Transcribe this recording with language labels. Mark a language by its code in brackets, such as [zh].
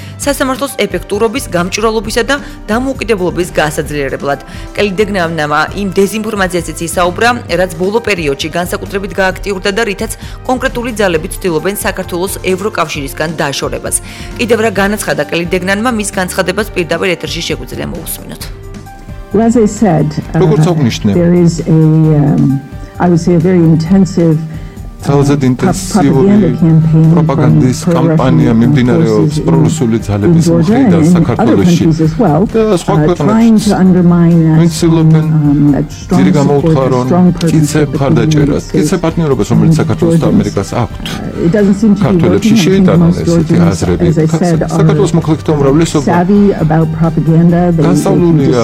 [ka] სასამართლოს ეფექტურობის, გამჭვირვალობისა და დამოუკიდებლობის გასაძლიერებლად. კლდეგნავნამა იმ დეზინფორმაციაზეც ისაუბრა, რაც ბოლო პერიოდში განსაკუთრებით გააქტიურდა და რითაც კონკრეტული ძალები ცდილობენ საქართველოს ევროკავშირისგან დაშორებას. კიდევ რა განაცხადა კლდეგნავნამა, მის განცხადებას პირდაპირ ეთერში შეგვიძლია მოუსმინოთ. [en] As I said, there is a, I would say, a very intensive propaganda campaign